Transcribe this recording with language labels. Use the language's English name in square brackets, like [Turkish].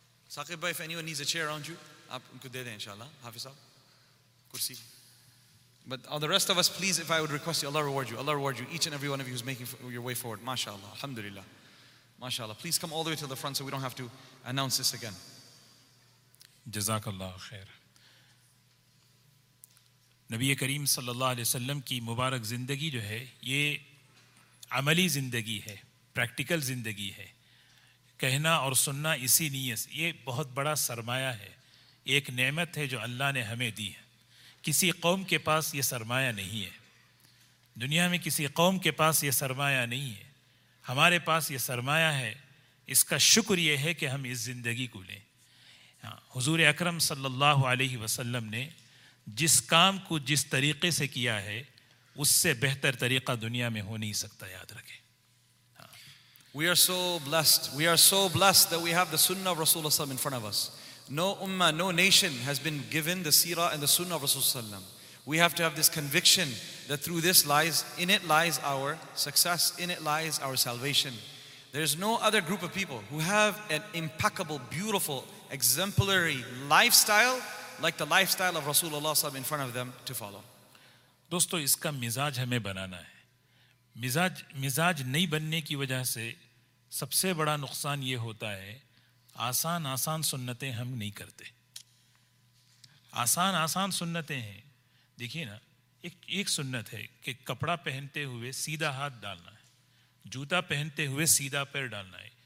[English] Saqib bhai, if anyone needs a chair around you, [Urdu] aap unko de de, inshallah. Hafizah. Kursi. [English] But all the rest of us, please, if I would request you, Allah reward you. Allah reward you. Each and every one of you who's making your way forward. Mashallah. Alhamdulillah. Mashallah. Please come all the way to the front so we don't have to announce this again. Jazakallah khair. [Urdu] نبی کریم صلی اللہ علیہ وسلم کی مبارک زندگی جو ہے یہ عملی زندگی ہے, پریکٹیکل زندگی ہے. کہنا اور سننا اسی نیت, یہ بہت بڑا سرمایہ ہے, ایک نعمت ہے جو اللہ نے ہمیں دی ہے. کسی قوم کے پاس یہ سرمایہ نہیں ہے. دنیا میں کسی قوم کے پاس یہ سرمایہ نہیں ہے, ہمارے پاس یہ سرمایہ ہے, اس کا شکر یہ ہے کہ ہم اس زندگی کو لیں. حضور اکرم صلی اللہ علیہ وسلم نے جس کام کو جس طریقے سے کیا ہے اس سے بہتر طریقہ دنیا میں ہو نہیں سکتا, یاد رکھیں. [English] We are so blessed that we have the Sunnah of Rasulullah SAW in front of us. No ummah, no nation has been given the seerah and the Sunnah of Rasulullah SAW. We have to have this conviction that through this lies, in it lies our success, in it lies our salvation. There's no other group of people who have an impeccable, beautiful, exemplary lifestyle like the lifestyle of Rasulullah SAW in front of them to follow. [Urdu] Dosto, iska mizaj hame banana hai. مزاج نہیں بننے کی وجہ سے سب سے بڑا نقصان یہ ہوتا ہے, آسان سنتیں ہم نہیں کرتے. آسان سنتیں ہیں, دیکھیے نا, ایک سنت ہے کہ کپڑا پہنتے ہوئے سیدھا ہاتھ ڈالنا ہے, جوتا پہنتے ہوئے سیدھا پیر ڈالنا ہے.